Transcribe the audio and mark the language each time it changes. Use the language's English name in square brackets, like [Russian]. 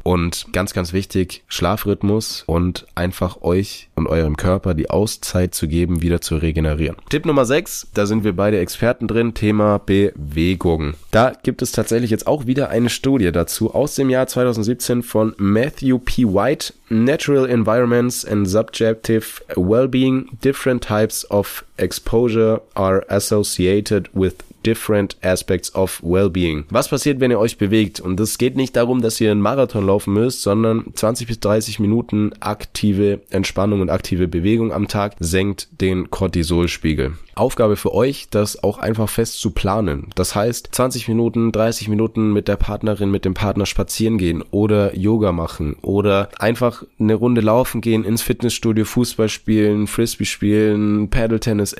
[German] Und ganz, ganz wichtig, Schlafrhythmus und einfach euch und eurem Körper die Auszeit zu geben, wieder zu regenerieren. Tipp Nummer 6, da sind wir beide Experten drin, Thema Bewegung. Da gibt es tatsächlich jetzt auch wieder eine Studie dazu aus dem Jahr 2017 von Matthew P. [English] White, Natural Environments and Subjective Wellbeing. Different types of exposure are associated with different aspects of well-being. [German] Was passiert, wenn ihr euch bewegt? Und es geht nicht darum, dass ihr einen Marathon laufen müsst, sondern 20 bis 30 Minuten aktive Entspannung und aktive Bewegung am Tag senkt den Cortisolspiegel. Aufgabe für euch, das auch einfach fest zu planen. Das heißt, 20 Minuten, 30 Minuten mit der Partnerin, mit dem Partner spazieren gehen oder Yoga machen oder einfach eine Runde laufen gehen, ins Fitnessstudio, Fußball spielen, Frisbee spielen, Padel-Tennis.